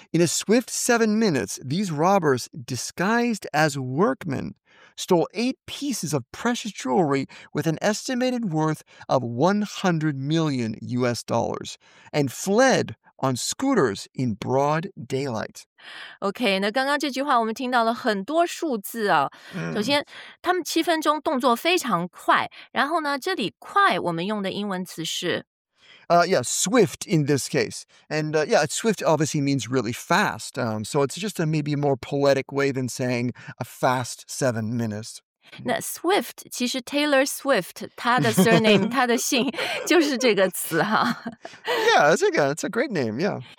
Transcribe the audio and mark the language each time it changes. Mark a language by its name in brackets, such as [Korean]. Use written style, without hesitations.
[English] In a swift 7 minutes, these robbers, disguised as workmen, stole 8 pieces of precious jewelry with an estimated worth of $100 million and fled on scooters in broad daylight. [Chinese] Okay, 那刚刚这句话我们听到了很多数字啊。首先，他们七分钟动作非常快，然后呢，这里快我们用的英文词是。 [English] Swift in this case. And swift obviously means really fast. So it's just a maybe more poetic way than saying a fast 7 minutes. [Chinese] 那 Swift 其实 Taylor Swift 他的 surname 他的姓就是这个词哈。 [English] Yeah, it's a great name. Yeah.